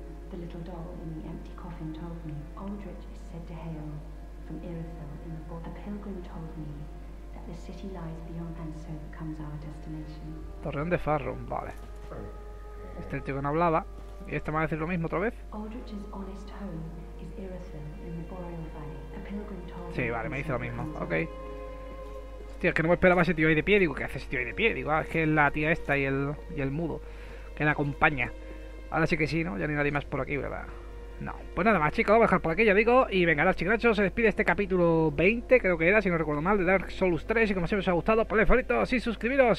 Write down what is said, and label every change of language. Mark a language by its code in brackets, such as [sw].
[en] The little doll in the empty coffin told me Aldrich is said to hail from Irithyll in the fort. A pilgrim told me that the city lies beyond, and so becomes our destination. [es] Torreón de Farrum, vale. Este es el tío que no hablaba. Y este me va a decir lo mismo otra vez. [en] Aldrich's honest home is Irithyll in the Boreal Valley. A pilgrim told [es] sí, vale, me me dice lo mismo. Ok. Hostia, es que no me esperaba ese tío ahí de pie. Digo, ¿qué hace ese tío ahí de pie? Digo, ah, es que es la tía esta y el mudo que la acompaña. Ahora sí que sí, ¿no? Ya ni nadie más por aquí, ¿verdad? No. Pues nada más, chicos. Lo voy a dejar por aquí, ya digo. Y venga, los chicos, se despide este capítulo 20, creo que era, si no recuerdo mal, de Dark Souls 3. Y como siempre, si os ha gustado, ponle favorito y suscribiros.